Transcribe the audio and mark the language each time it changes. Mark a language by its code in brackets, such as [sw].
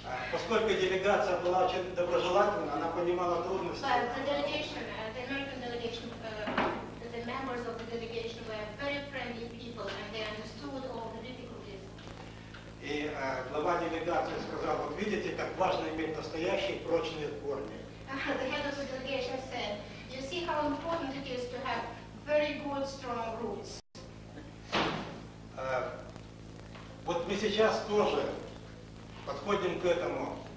[ru] Поскольку делегация была очень доброжелательна, она понимала трудности. [en] But the delegation, the American delegation, the members of the delegation were very friendly people, and they understood all the difficulties. [ru] И глава делегации сказал: вот видите, как важно иметь настоящие прочные корни. [en] The head of the delegation said, you see how important it is to have very good, strong roots. [ru] Вот мы сейчас тоже подходим к этому.